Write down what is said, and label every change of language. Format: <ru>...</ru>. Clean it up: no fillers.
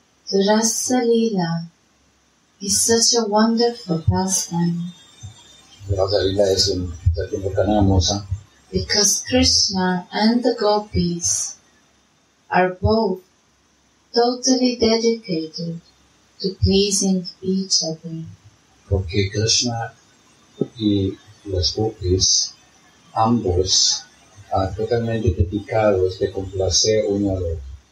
<en>the Rasa Lila is such a wonderful pastime.</en> <es>La Rasa Lila es un pasatiempo tan hermoso.</es> <en>Because Krishna and the gopis are both totally dedicated to pleasing each other.</en> <es>Porque Krishna y los gopis, ambos,</es> <en>are</en> <es>totalmente dedicados de complacer uno al otro.</es>